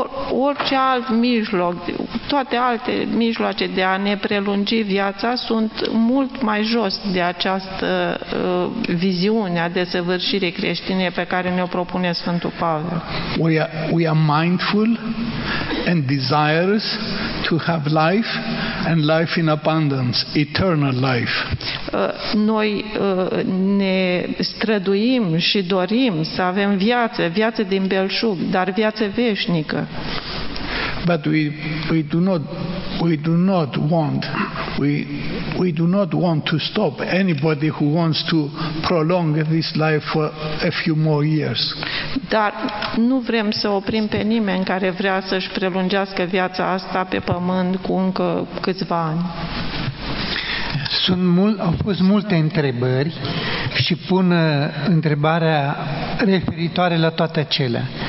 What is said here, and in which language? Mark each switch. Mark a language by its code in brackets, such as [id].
[ro] Orice alt mijloc, toate alte mijloace de a ne prelungi viața sunt mult mai jos de această viziune a desăvârșirii creștine pe care ne-o propune Sfântul Pavel. [en] We are mindful and desirous to have life and life in abundance, eternal life. [ro] Noi ne străduim și dorim să avem viață, viață din belșug, dar viață veșnică. [en] But we do not want to stop anybody who wants to prolong this life for a few more years. [ro] Dar nu vrem să oprim pe nimeni care vrea să își prelungească viața asta pe pământ cu încă câțiva ani. Au fost multe întrebări și pun întrebarea referitoare la toate acelea.